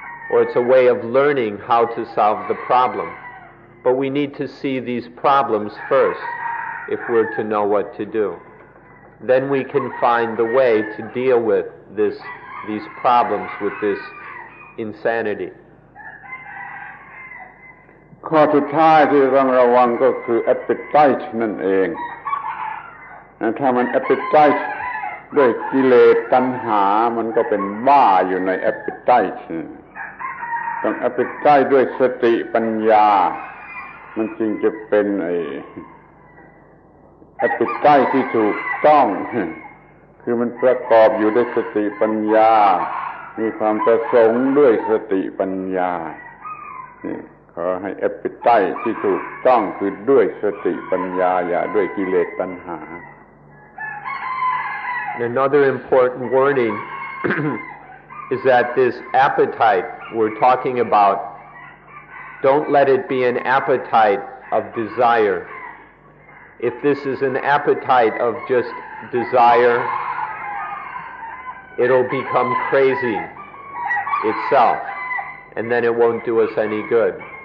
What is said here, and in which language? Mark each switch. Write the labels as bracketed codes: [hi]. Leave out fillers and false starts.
[en] Or it's a way of learning how to solve the problem. But we need to see these problems first if we're to know what to do. Then we can find the way to deal with these problems, with this insanity. [th] ข้อสุดท้ายที่ต้องระวังก็คือ appetite นั่นเอง ถ้ามัน appetite ด้วยกิเลสตัณหามันก็เป็นบ้าอยู่ใน appetite ต้องอภิปรายด้วยสติปัญญามันจึงจะเป็น อภิปรายที่ถูกต้องคือมันประกอบอยู่ด้วยสติปัญญามีความประสงค์ด้วยสติปัญญาขอให้อภิปรายที่ถูกต้องคือด้วยสติปัญญาอย่าด้วยกิเลสตัณหา [en] Another important warning is that this appetite we're talking about, don't let it be an appetite of desire. If this is an appetite of just desire, it'll become crazy itself, and then it won't do us any good.